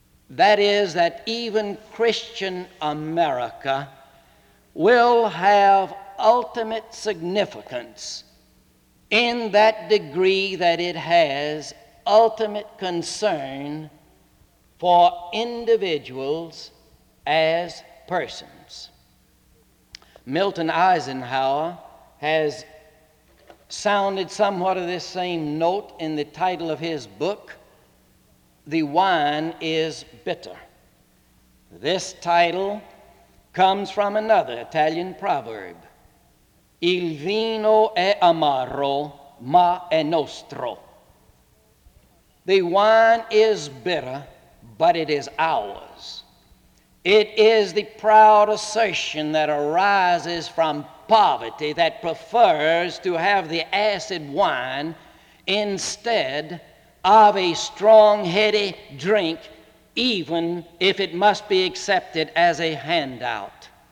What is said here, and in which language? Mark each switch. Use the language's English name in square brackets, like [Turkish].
[English] That is that even Christian America will have ultimate significance in that degree that it has ultimate concern for individuals as persons. Milton Eisenhower has sounded somewhat of this same note in the title of his book, "The Wine is Bitter." This title comes from another Italian proverb, [Italian] "Il vino è amaro, ma è nostro." [English] The wine is bitter, but it is ours. It is the proud assertion that arises from poverty that prefers to have the acid wine instead of a strong, heady drink, even if it must be accepted as a handout.